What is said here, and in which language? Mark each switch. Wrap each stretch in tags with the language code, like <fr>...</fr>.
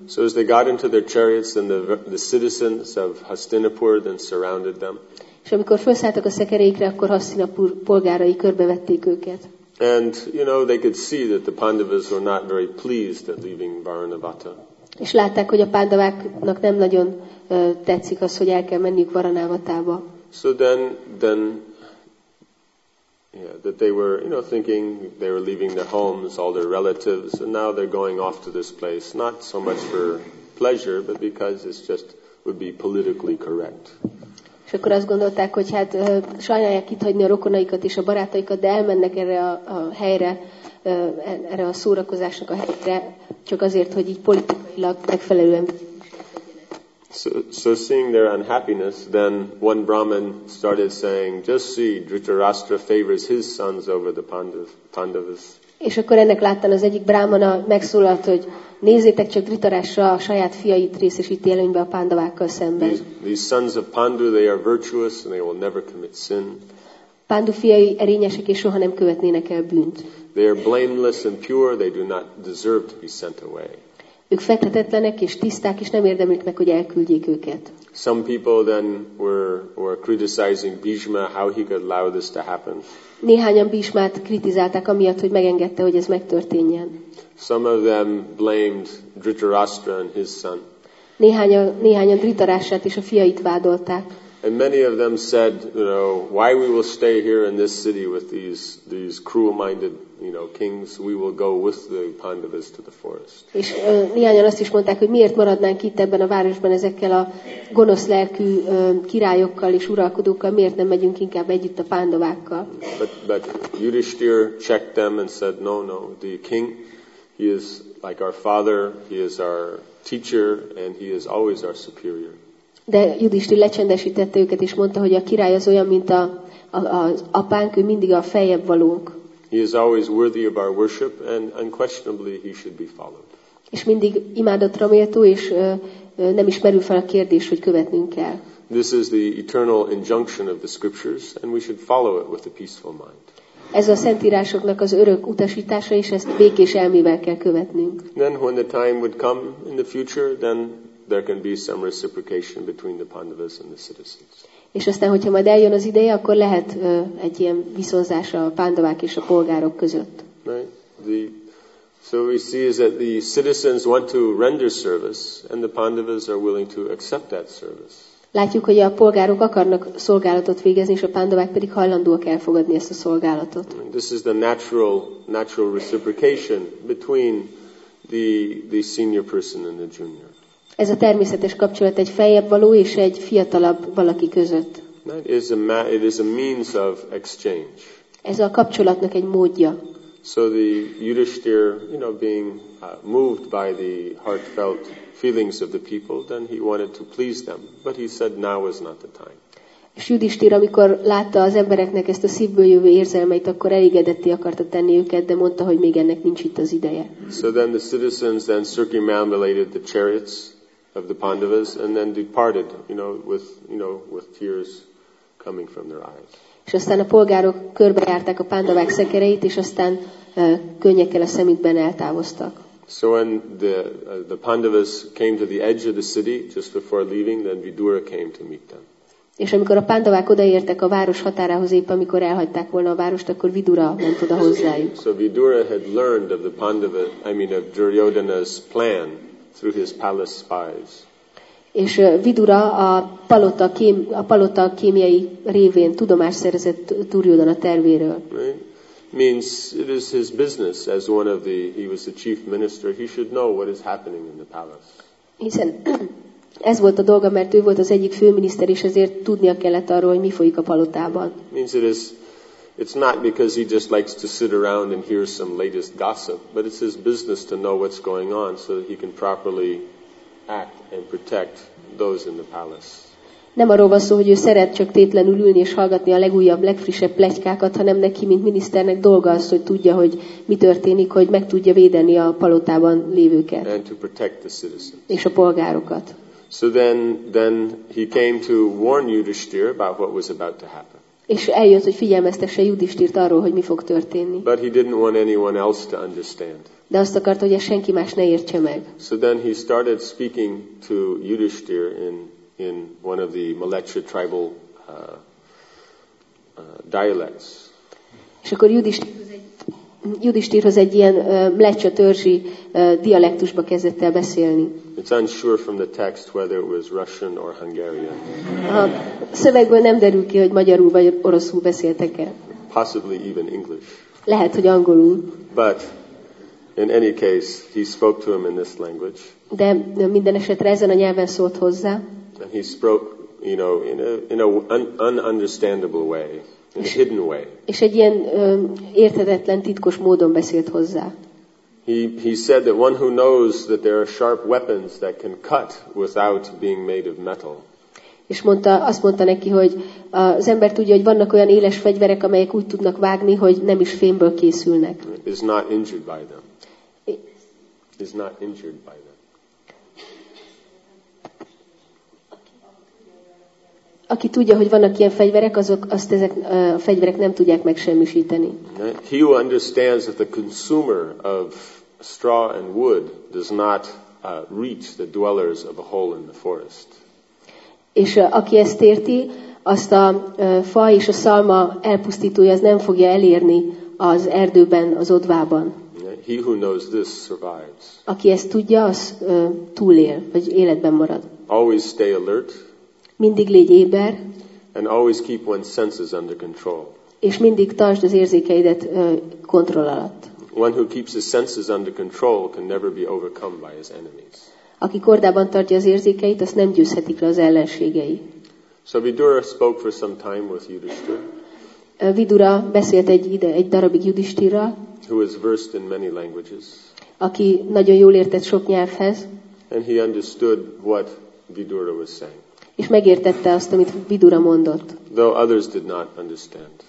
<en>So as they got into their chariots, then the citizens of Hastinapur then surrounded them.</en> <hu>És amikor felszálltak a szekereikre, akkor Hastinapur polgárai körbevették őket.</hu> <en>And you know they could see that the Pandavas were not very pleased at leaving Varanavata.</en> <hu>És látták, hogy a pándaváknak nem nagyon tetszik az, hogy el kell menniük Varanavatába.</hu> <en>So then yeah, that they were, you know, thinking they were leaving their homes, all their relatives, and now they're going off to this place, not so much for pleasure, but because it's just would be politically correct.</en> <hu>És akkor azt gondolták, hogy hát sajnálják itt hagyni a rokonaikat és a barátaikat, de elmennek erre a helyre, erre a szórakozásnak a helyre, csak azért, hogy így politikailag megfelelően.</hu> <en>So seeing their unhappiness, then one Brahmin started saying, "Just see, Dhritarashtra favors his sons over the Pandavas."</en> <hu>És akkor ennek láttán az egyik Brahmana megszólalt, hogy nézzétek csak, Dhritarashtra a saját fiait részesíti előnybe a pándavákkal szemben.</hu> <en>These sons of Pandu, they are virtuous and they will never commit sin.</en> <hu>Pandu fiai erényesek és soha nem követnének el bűnt.</hu> <en>They are blameless and pure, they do not deserve to be sent away.</en> <hu>Ők fethetetlenek és tiszták, és nem érdemlik meg, hogy elküldjék őket.</hu> <en>Some people then were criticizing Bhishma, how he could allow this to happen.</en> <hu>Néhányan Bhishmát kritizálták amiatt, hogy megengedte, hogy ez megtörténjen.</hu> <en>Some of them blamed Dhritarashtra and his son.</en> <hu>Néhányan Dhritarashtrát és a fiait vádolták.</hu> <en>And many of them said, you know, why we will stay here in this city with these cruel-minded, you know, kings, we will go with the Pandavas to the forest.</en> <hu>És néhányan azt is mondták, hogy miért maradnánk itt ebben a városban ezekkel a gonosz lelkű királyokkal és uralkodókkal, miért nem megyünk inkább együtt a pándavákkal?</hu> <en>But Yudhishthir checked them and said, no, the king, he is like our father, he is our teacher, and he is always our superior.</en> <hu>De Yudhishthir lecsendesítette őket és mondta, hogy a király az olyan, mint az apánk, ő mindig a feljebb valók.</hu> <en>He is always worthy of our worship, and unquestionably he should be followed.</en> <hu>És mindig imádatra méltó, és nem is merül fel a kérdés, hogy követnünk kell.</hu> <en>This is the eternal injunction of the scriptures, and we should follow it with a peaceful mind.</en> <hu>Ez a szentírásoknak az örök utasítása, és ezt békés elmével kell követnünk.</hu> <en>Then when the time would come in the future, then there can be some reciprocation between the Pandavas and the citizens.</en> <hu>És aztán, hogyha majd eljön az ideje, akkor lehet egy ilyen viszonzás a pándavák és a polgárok között.</hu> <en>Right. The, so we see is that the citizens want to render service, and the Pandavas are willing to accept that service.</en> <hu>Látjuk, hogy a polgárok akarnak szolgálatot végezni, és a pándavák pedig hajlandóak elfogadni ezt a szolgálatot.</hu> <en>This is the natural reciprocation between the senior person and the junior.</en> <hu>Ez a természetes kapcsolat egy feljebb való és egy fiatalabb valaki között.</hu> <en>It is a means of exchange.</en> <hu>Ez a kapcsolatnak egy módja.</hu> <en>So the Yudhishthir, you know, being moved by the heartfelt feelings of the people, then he wanted to please them, but he said now is not the time.</en> <hu>És Yudhishthir, amikor látta az embereknek ezt a szívből jövő érzelmeit, akkor elégedetté akarta tenni őket, de mondta, hogy még ennek nincs itt az ideje.</hu> <en>So then the citizens then circumambulated the chariots of the Pandavas and then departed, with tears coming from their eyes.</en> <hu>És aztán a polgárok körbejárták a pándavák szekereit, és aztán könnyekkel a szemükben eltávoztak.</hu> <en>So when the Pandavas came to the edge of the city just before leaving, then Vidura came to meet them.</en> <hu>És amikor a pándavák odaértek a város határához, épp amikor elhagyták volna a várost, akkor Vidura ment oda hozzájuk.</hu> <en>So Vidura had learned of the of Duryodhana's plan through his palace spies.</en> <hu>És Vidura a palota kémiai révén tudomást szerzett Duryodhana tervéről.</hu> <en>Right? Means it is his business as one of the, he was the chief minister, he should know what is happening in the palace.</en> <hu>Hiszen ez volt a dolga, mert ő volt az egyik főminiszter, és ezért tudnia kellett arról, hogy mi folyik a palotában.</hu> <en>Means it is, it's not because he just likes to sit around and hear some latest gossip, but it's his business to know what's going on so that he can properly act and protect those in the palace.</en> <hu>Nem arról van szó, hogy ő szeret csak tétlenül ülni és hallgatni a legújabb, legfrissebb pletykákat, hanem neki, mint miniszternek dolga az, hogy tudja, hogy mi történik, hogy meg tudja védeni a palotában lévőket.</hu> <en>And to protect the citizens.</en> <hu>És a polgárokat.</hu> <en>So then he came to warn Yudhishthir about what was about to happen.</en> <hu>És eljött, hogy figyelmeztesse Yudhishthirt arról, hogy mi fog történni.</hu> <en>But he didn't want anyone else to understand.</en> <hu>De azt akart, hogy ezt senki más ne értse meg.</hu> <en>So then he started speaking to Yudhishthir in one of the Malecha tribal dialects.</en> <hu>És akkor Yudhishthirhoz egy ilyen Mlecsa törzsi dialektusba kezdett el beszélni.</hu> <en>It's unsure from the text whether it was Russian or Hungarian.</en> <hu>Szövegből nem derül ki, hogy magyarul vagy oroszul beszéltek-e.</hu> <en>Possibly even English.</en> <hu>Lehet, hogy angolul.</hu> <en>But in any case, he spoke to him in this language.</en> <hu>De minden esetre ezen a nyelven szólt hozzá.</hu> <en>And he spoke, you know, in a ununderstandable way. In a hidden way.</en> <hu>És egy ilyen érthetetlen, titkos módon beszélt hozzá.</hu> <en>He said that one who knows that there are sharp weapons that can cut without being made of metal.</en> <hu>És azt mondta neki, hogy az ember tudja, hogy vannak olyan éles fegyverek, amelyek úgy tudnak vágni, hogy nem is fémből készülnek.</hu> <en>Is not injured by them. Is not injured by them.</en> <hu>Aki tudja, hogy vannak ilyen fegyverek, ezek a fegyverek nem tudják megsemmisíteni.</hu> <en>He who understands that the consumer of straw and wood does not reach the dwellers of a hole in the forest.</en> <hu>És aki ezt érti, azt a fa és a szalma elpusztítója, az nem fogja elérni az erdőben, az odvában.</hu> <en>He who knows this survives.</en> <hu>Aki ezt tudja, az túlél, vagy életben marad.</hu> <en>Always stay alert.</en> <hu>Mindig légy éber.</hu> <en>And always keep one's senses under control.</en> <hu>És mindig tartsd az érzékeidet kontroll alatt.</hu> <en>One who keeps his senses under control can never be overcome by his enemies.</en> <hu>Aki kordában tartja az érzékeit, azt nem győzhetik le az ellenségei.</hu> <en>So Vidura spoke for some time with Yudhishthir.</en> <hu>Vidura beszélt egy darabig Yudhishthirral.</hu> <en>Who was versed in many languages.</en> <hu>Aki nagyon jól értett sok nyelvhez.</hu> <en>And he understood what Vidura was saying.</en> <hu>És megértette azt, amit Vidura mondott.</hu> <en>Though others did not understand.</en>